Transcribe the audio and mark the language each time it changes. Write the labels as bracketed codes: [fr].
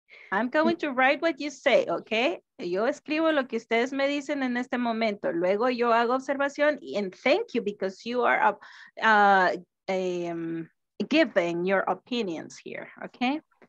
[en] I'm going to write what you say, okay? [es] Yo escribo lo que ustedes me dicen en este momento. Luego yo hago observación [en] and thank you because you are giving your opinions here, okay?